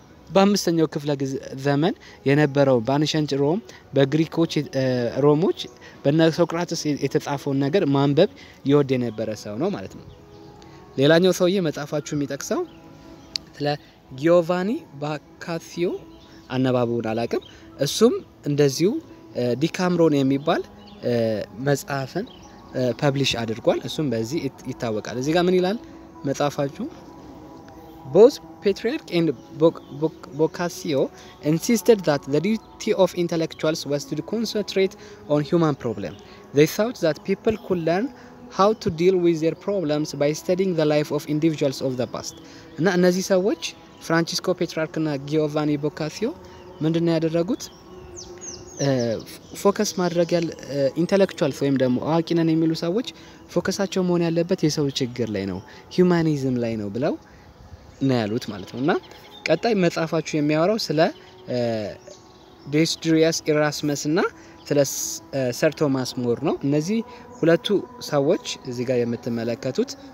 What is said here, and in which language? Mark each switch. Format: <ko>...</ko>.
<am>በአምስተኛው ክፍለ ዘመን የነበረው በአንሸንት ሮም በግሪኮች ሮሞች በነ ሶክራትስ የተጻፈውን ነገር ማንበብ ይወድ የነበረ ሰው ነው ማለት ነው። ሌላኛው ሰውዬ መጽሐፋችሁ የሚጠቅሰው ስለ ጊዮቫኒ ባካሲዮ አነባቡን አላቅም። እሱም እንደዚሁ ዲካምሮን የሚባል መጽሐፍን ፐብሊሽ አድርጓል። እሱም በዚህ ይታወቃል። እዚህ ጋር ምን ይላል መጽሐፋችሁ?</am> <en>Both Patriarch and Boccaccio insisted that the duty of intellectuals was to concentrate on human problems. They thought that people could learn how to deal with their problems by studying the life of individuals of the past.</en> <am>እና እነዚህ ሰዎች ፍራንቺስኮ ፔትራርክ እና ጊዮቫኒ ቦካሲዮ ምንድነው ያደረጉት? ፎከስ ማድረግ ያለ ኢንተሌክቹዋል ወይም ደግሞ አዋቂ ነን የሚሉ ሰዎች ፎከሳቸው መሆን ያለበት የሰው ችግር ላይ ነው፣ ሂዩማኒዝም ላይ ነው ብለው ነው ያሉት ማለት ነው። እና ቀጣይ መጽሐፋችሁ የሚያወራው ስለ ዴስድሪያስ ኢራስመስ እና ስለ ሰር ቶማስ ሞር ነው። እነዚህ ሁለቱ ሰዎች እዚህ ጋር የምትመለከቱት</am>